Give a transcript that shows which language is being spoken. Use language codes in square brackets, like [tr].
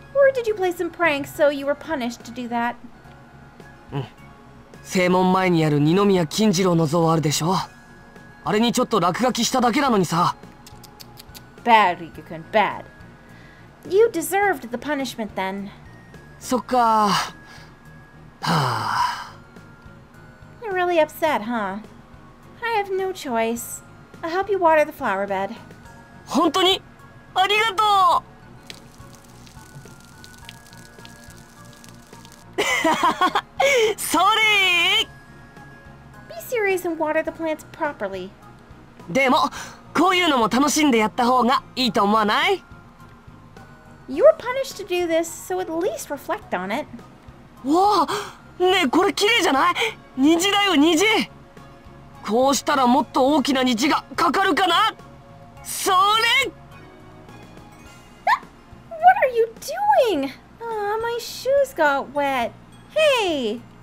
[en] Or did you play some pranks so you were punished to do that? [ja] うん。正門前にある二宮金次郎の像あるでしょ。あれにちょっと落書きしただけなのにさ。 [en] Bad, Rikka-kun, bad. You deserved the punishment then. [ja] そっか。はあ。 [en] You're really upset, huh? I have no choice. I'll help you water the flower bed. [ja] 本当に？ありがとう。 [en] Sorry! Be serious and water the plants properly. [ja] でも、こういうのも楽しんでやった方がいいと思わない? [en] You were punished to do this, so at least reflect on it. [ja] わあ、ねえ、これ綺麗じゃない?虹だよ、虹! こうしたらもっと大きな虹がかかるかな? それ! [en] What are you doing? My shoes got wet. Hey!